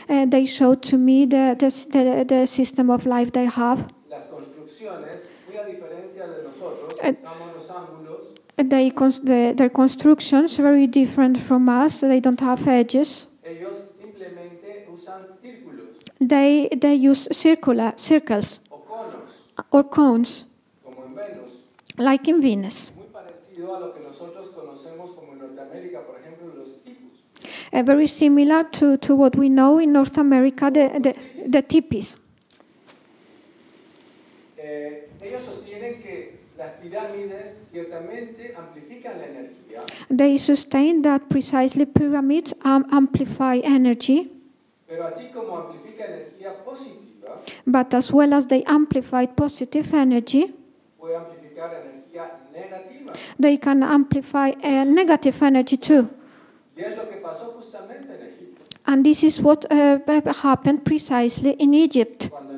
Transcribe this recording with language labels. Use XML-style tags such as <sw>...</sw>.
<en>They showed to me the system of life they have.</en> <es>Las construcciones, muy a diferencia de nosotros, los ángulos.</es> <en>Their constructions are very different from us. They don't have edges.</en> <es>Ellos simplemente usan círculos.</es> <en>They use circles.</en> <es>O cones.</es> <en>Or cones.</en> <es>Como en Venus.</es> <en>Like in Venus.</en> <es>Muy parecido a lo que nosotros conocemos como en Norteamérica, por ejemplo, los tipus.</es> <en>Very similar to what we know in North America, the tipis.</en> <es>Ellos sostienen que Las pirámides ciertamente amplifican la energía.</es> <en>They sustain that precisely pyramids amplify energy.</en> <es>Pero así como amplifica energía positiva,</es> <en>but as well as they amplify positive energy,</en> <es>puede amplificar energía negativa.</es> <en>They can amplify a negative energy too.</en> <es>Y es lo que pasó justamente en Egipto.</es> <en>And this is what happened precisely in Egypt.</en>